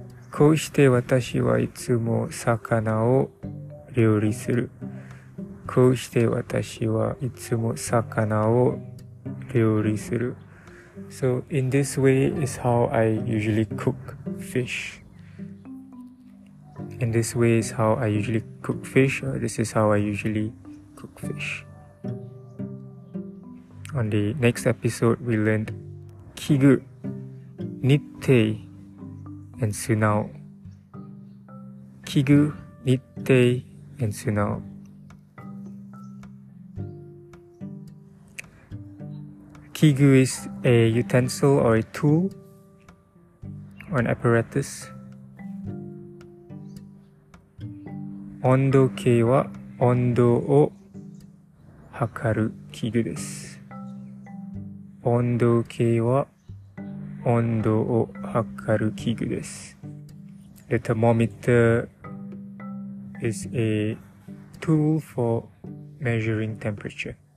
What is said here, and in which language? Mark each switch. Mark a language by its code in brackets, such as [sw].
[ja] こうして私はいつも魚を料理する。こうして私はいつも魚を料理する。 [en] So, in this way is how I usually cook fish. In this way is how I usually cook fish. Or this is how I usually cook fish. On the next episode, we learned 器具、日程、and 素直。器具、日程、and 素直。器具 is a utensil or a tool or an apparatus. [ja] 温度計は温度を測る器具です。温度計は温度を測る器具です。 [en] The thermometer is a tool for measuring temperature.